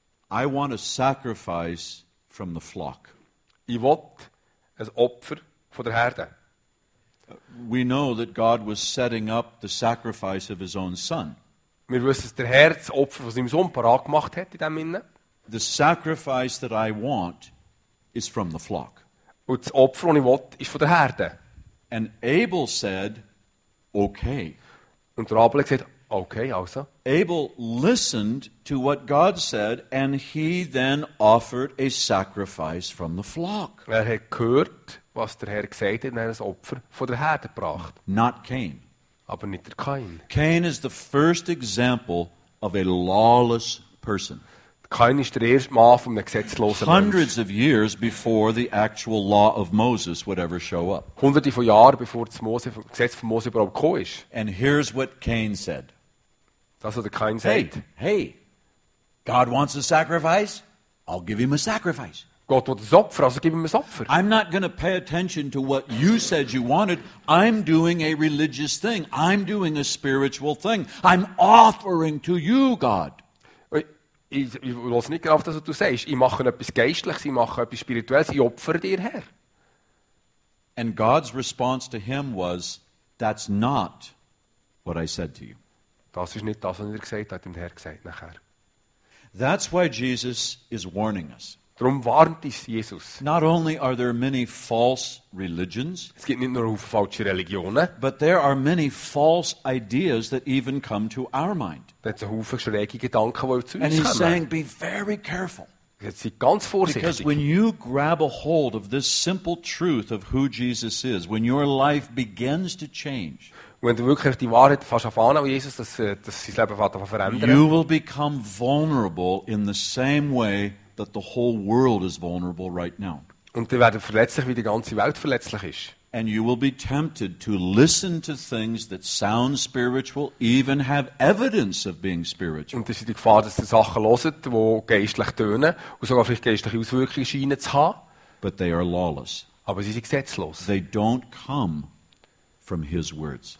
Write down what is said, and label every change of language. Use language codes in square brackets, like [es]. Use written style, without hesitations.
[en] I want a sacrifice from the flock. [de] Ich will ein Opfer von der Herde. [en] We know that God was setting up the sacrifice of his own son. [de] Wir wissen, dass der Herr das Opfer von seinem Sohn parat gemacht hat in dem Sinne. [en] The sacrifice that I want is from the flock. [de] Und das Opfer, das ich will, ist von der Herde. [en] And Abel said, okay. [de] Und der Abel hat gesagt, okay, also. [en] Abel listened to what God said and he then offered a sacrifice from the flock. [de] Er hat gehört, was der Herr gesagt hat, und er das Opfer von der Herde gebracht. [en] Not Cain. [de] Aber nicht der Cain. [en] Cain is the first example of a lawless person. [de] Cain ist der erste Mal von einem gesetzlosen Menschen. [en] Hundreds of years before the actual law of Moses would ever show up. [de] Hunderte von Jahren bevor das Mose, Gesetz von Mose überhaupt gekommen ist. [en] And here's what Cain said. [de] Das hat der Cain gesagt. [en] Hey, God wants a sacrifice? I'll give him a sacrifice. [de] Gott will das Opfer, also gib ihm ein Opfer. [en] I'm not going to pay attention to what you said you wanted. I'm doing a religious thing. I'm doing a spiritual thing. I'm offering to you, God. [de] Ich höre nicht auf das, was du sagst. Ich mache etwas Geistliches, ich mache etwas Spirituelles, ich opfere dir, Herr. [en] And God's response to him was, that's not what I said to you. [de] Das ist nicht das, was er gesagt hat, dem Herr gesagt nachher. [en] That's why Jesus is warning us. [de] Darum warnt uns Jesus. [en] Not only are there many false religions, [de] es gibt nicht nur falsche Religionen, [en] but there are many false ideas that even come to our mind. [de] Es gibt viele schräge Gedanken, die zu uns kommen. [en] And he's saying, be very careful. [de] Sei ganz vorsichtig. [en] Because when you grab a hold of this simple truth of who Jesus is, when your life begins to change, [de] wenn du wirklich die Wahrheit fasst auf an, wie Jesus, dass sein Leben fängt zu verändern, [en] you will become vulnerable in the same way that the whole world is vulnerable right now. [de] Und die werden verletzlich, wie die ganze Welt verletzlich ist. [en] And you will be tempted to listen to things that sound spiritual, even have evidence of being spiritual. [de] Und es ist die Gefahr, dass die Sachen hören, wo geistlich tönen und sogar vielleicht geistliche Auswirkungen scheinen zu haben. [en] But they are lawless. [de] Aber sie sind gesetzlos. [en] They don't come from his words.